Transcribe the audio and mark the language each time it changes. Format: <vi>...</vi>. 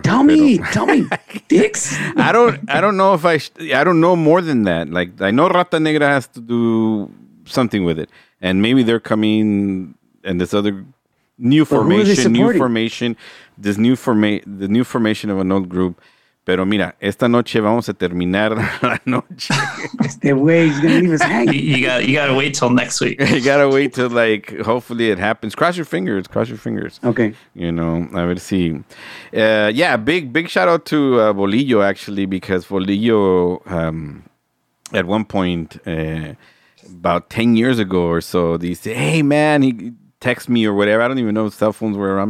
<en>Tell me, dicks. I don't know more than that. Like, I know Rata Negra has to do something with it. And maybe they're coming in this other new formation of an old group.</en> <es>Pero mira, esta noche vamos a terminar la noche. Este güey,</es> <en>he's gonna leave us hanging. You gotta wait till next week. You gotta wait till, like, hopefully it happens. Cross your fingers. Okay. You know,</en> <es>a ver si.</es> <en>Big shout out to Bolillo, actually, because Bolillo, at one point, about 10 years ago or so, he said, hey, man, he texted me or whatever. I don't even know if cell phones were around.</en>